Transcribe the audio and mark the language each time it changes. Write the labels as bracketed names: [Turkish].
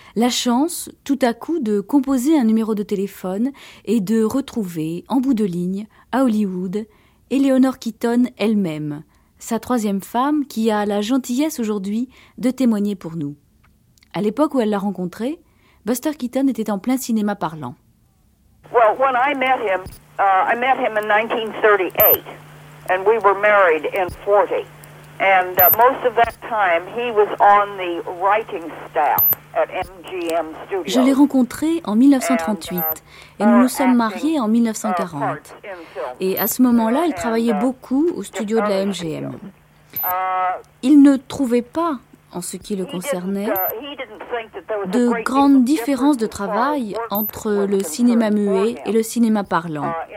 [French] La chance, tout à coup, de composer un numéro de téléphone et de retrouver, en bout de ligne, à Hollywood, Eleanor Keaton elle-même, sa troisième femme qui a la gentillesse aujourd'hui de témoigner pour nous. À l'époque où elle l'a rencontré, Buster Keaton était en plein cinéma parlant. [English] Well, when I met him in 1938, and we were married in 40. And most of that time, he was on the writing staff at MGM Studios. [French] Je l'ai rencontré en 1938, et nous nous sommes mariés en 1940. Et à ce moment-là, il travaillait beaucoup au studio de la MGM. Il ne trouvait pas, en ce qui le concernait, de grandes différences de travail entre le cinéma muet et le cinéma parlant.